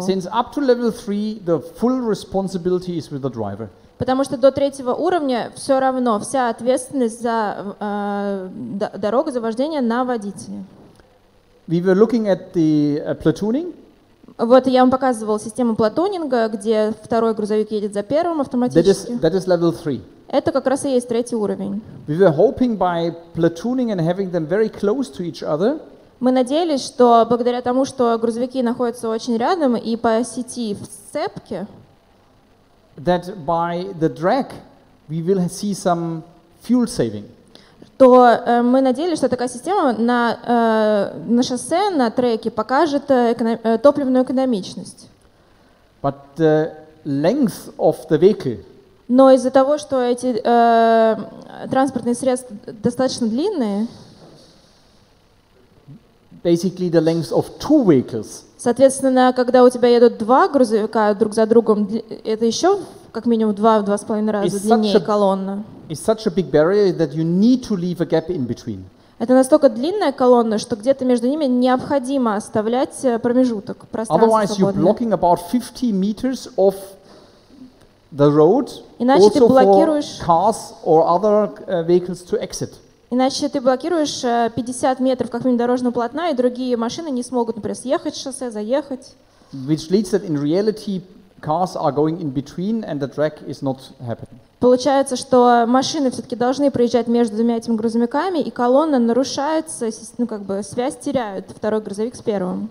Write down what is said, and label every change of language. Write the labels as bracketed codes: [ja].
[en] Since up to level 3, the full responsibility is with the driver. [ru] Потому что до третьего уровня все равно вся ответственность за дорогу, за вождение на водителе. [en] We were looking at the platooning. [ru] Вот я вам показывал систему платунинга, где второй грузовик едет за первым автоматически. [en] That is level 3. [ru] Это как раз и есть третий уровень. [en] We were hoping by platooning and having them very close to each other. [ru] Мы надеялись, что благодаря тому, что грузовики находятся очень рядом и по сети в сцепке, [en] that by the drag we will see some fuel saving. [ru] То мы надеялись, что такая система на шоссе, на треке покажет топливную экономичность. [en] But the length of the vehicle. [ru] Но из-за того, что эти транспортные средства достаточно длинные, [en] basically the length of two vehicles. [ru] Соответственно, когда у тебя едут два грузовика друг за другом, это еще как минимум два с половиной раза длиннее колонна. [en] It's such a big barrier that you need to leave a gap in between. [ru] Это настолько длинная колонна, что где-то между ними необходимо оставлять промежуток, пространство. [en] Otherwise, you're blocking about 50 meters of the road. [ru] Иначе [en] also [ru] ты блокируешь [en] for cars or other vehicles to exit. [ru] Иначе ты блокируешь 50 метров как минимум дорожного полотна, и другие машины не смогут, например, съехать с шоссе, заехать. [en] Which leads that in reality cars are going in between and the drag is not happening. [ru] Получается, что машины все-таки должны проезжать между двумя этими грузовиками, и колонна нарушается, ну, как бы связь теряют второй грузовик с первым.